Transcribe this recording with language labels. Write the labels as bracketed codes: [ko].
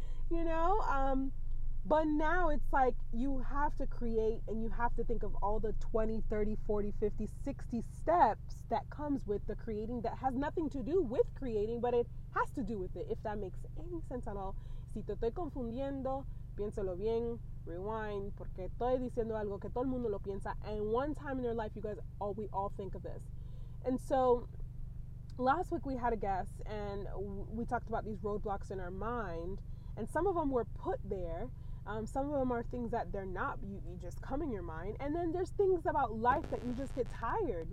[en] You know? But now it's like you have to create and you have to think of all the 20, 30, 40, 50, 60 steps that comes with the creating that has nothing to do with creating, but it has to do with it, if that makes any sense at all. [es] Si te estoy confundiendo, piénsalo bien, rewind, porque estoy diciendo algo que todo el mundo lo piensa. [en] And one time in their life, you guys, we all think of this. And so last week we had a guest and we talked about these roadblocks in our mind, and some of them were put there. Some of them are things that they're not you just come in your mind. And then there's things about life that you just get tired.